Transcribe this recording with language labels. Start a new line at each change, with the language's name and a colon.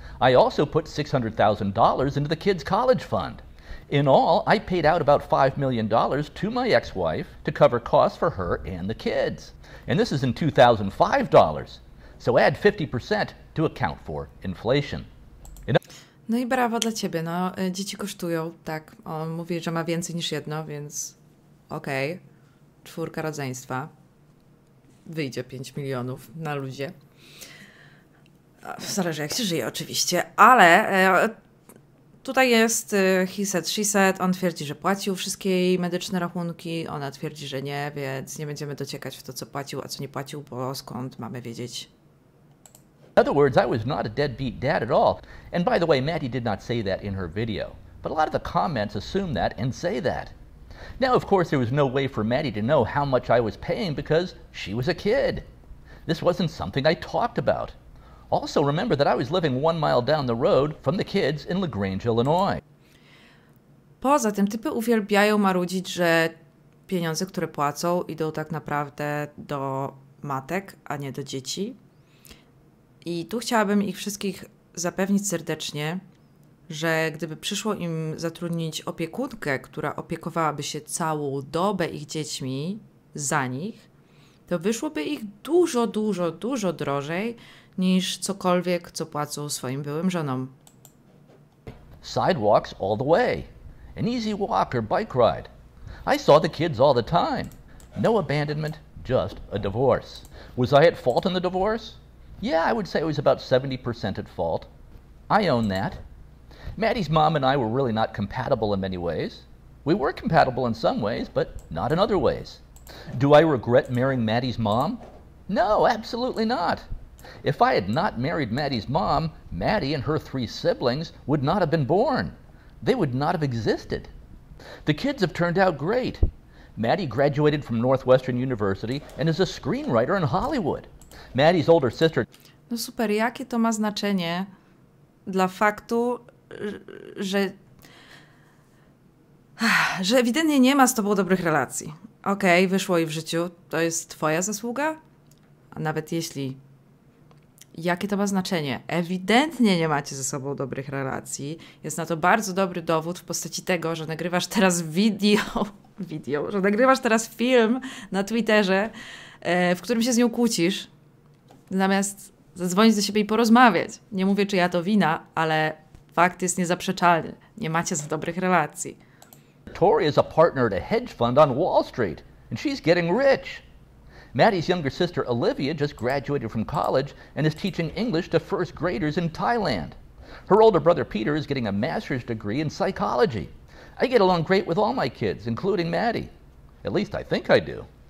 English: I also put $600,000 into the kids' college fund. In all, I paid out about $5 million to my ex-wife to cover costs for her and the kids. And this is in 2005 dollars. So add 50% to account for inflation.
Polish: No i brawo dla ciebie. No, dzieci kosztują, tak. On mówi, że ma więcej niż jedno, więc okej. Okay. Czwórka rodzeństwa. Wyjdzie 5 milionów na ludzie. Zależy jak się żyje oczywiście, ale tutaj jest
English: he said, she said,
Polish: on twierdzi, że płacił wszystkie jej medyczne rachunki, ona twierdzi, że nie, więc nie będziemy dociekać w to, co płacił, a co nie płacił, bo skąd mamy wiedzieć.
English: In other words, I was not a deadbeat dad at all. And by the way, Maddie did not say that in her video. But a lot of the comments assume that and say that. Now, of course, there was no way for Maddie to know how much I was paying because she was a kid. This wasn't something I talked about. Also, remember that I was living 1 mile down the road from the kids in LaGrange, Illinois.
Polish: Poza tym, typy uwielbiają marudzić, że pieniądze, które płacą, idą tak naprawdę do matek, a nie do dzieci. I tu chciałabym ich wszystkich zapewnić serdecznie, że gdyby przyszło im zatrudnić opiekunkę, która opiekowałaby się całą dobę ich dziećmi za nich, to wyszłoby ich dużo, dużo, dużo drożej niż cokolwiek, co płacą swoim byłym żonom.
English: Sidewalks all the way. An easy walk or bike ride. I saw the kids all the time. No abandonment, just a divorce. Was I at fault in the divorce? Yeah, I would say it was about 70% at fault. I own that. Maddie's mom and I were really not compatible in many ways. We were compatible in some ways, but not in other ways. Do I regret marrying Maddie's mom? No, absolutely not. If I had not married Maddie's mom, Maddie and her three siblings would not have been born. They would not have existed. The kids have turned out great. Maddie graduated from Northwestern University and is a screenwriter in Hollywood. Maddie's older sister...
Polish: No super, jakie to ma znaczenie dla faktu, że ewidentnie nie ma z tobą dobrych relacji. Okej, okay, wyszło i w życiu, to jest twoja zasługa? A nawet jeśli... Jakie to ma znaczenie? Ewidentnie nie macie ze sobą dobrych relacji. Jest na to bardzo dobry dowód w postaci tego, że nagrywasz teraz video, że nagrywasz teraz film na Twitterze, w którym się z nią kłócisz, zamiast zadzwonić do siebie i porozmawiać. Nie mówię, czy ja to wina, ale fakt jest niezaprzeczalny. Nie macie za dobrych relacji.
English: Tori is a partner at a hedge fund on Wall Street and she's getting rich. Maddie's younger sister Olivia just graduated from college and is teaching English to first graders in Thailand. Her older brother Peter is getting a master's degree in psychology. I get along great with all my kids, including Maddie. At least I think I do.